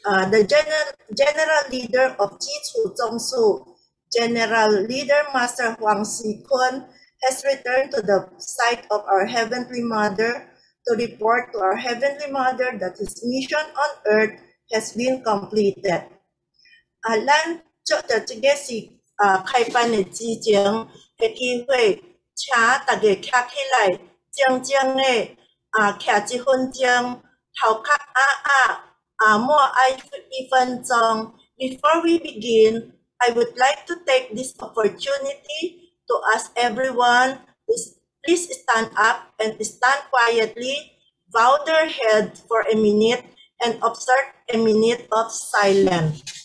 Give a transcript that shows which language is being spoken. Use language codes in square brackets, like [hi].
[en] the general leader of Ji Chu Zong Su, General Leader Master Huang Si-Kun, has returned to the site of our Heavenly Mother to report to our Heavenly Mother that his mission on earth has been completed. [nan] 咱做着这个是开班的之前的机会，请大家站起来，静静的站一分钟，头壳默哀一分钟。 [en] Before we begin, I would like to take this opportunity to ask everyone to please stand up and stand quietly, bow their head for a minute, and observe a minute of silence.